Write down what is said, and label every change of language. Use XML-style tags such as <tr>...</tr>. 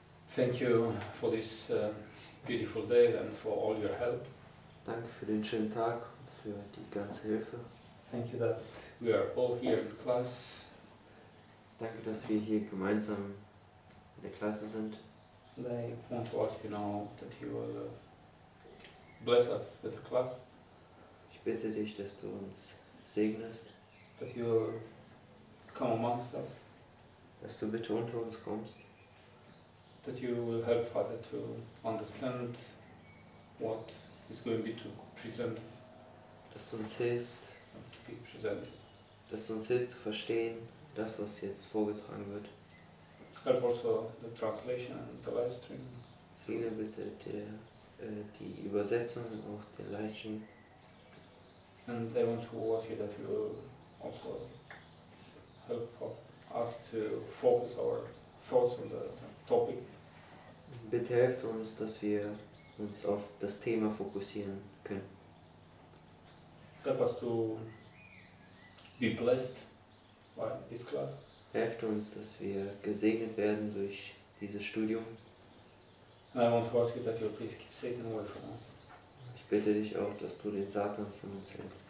<en>Thank you for this beautiful day and for all your help.</en> <de>Danke für den schönen Tag und für die ganze Hilfe.</de> <en>Thank you that we are all here in class.</en> <de>Danke, dass wir hier gemeinsam in der Klasse sind.</de> <en>I want to ask you now that you will bless us as a class.</en> <de>Ich bitte dich, dass du uns segnest.</de> <en>That you will come amongst us.</en> <de>Dass du bitte unter uns kommst.</de> <en>That you will help Father to understand what is going to be to present.</en> <de>Dass du uns hilfst.</de> <en>To be present.</en> <de>Dass du uns hilfst zu verstehen, das was jetzt vorgetragen wird.</de> <en>Help also the translation and the live stream.</en> <de>Segne bitte die Übersetzung und auch den Livestream.</de> <en>And I want to ask you that you will also help us to focus our thoughts on the topic.</en> <de>Bitte helft uns, dass wir uns auf das Thema fokussieren können.</de> <en>Help us to be blessed by this class.</en> <de>Helft uns, dass wir gesegnet werden durch dieses Studium.</de> <en>And I want to ask you that you please keep Satan away from us.</en> <de>Ich bitte dich auch, dass du den Satan von uns hältst.</de>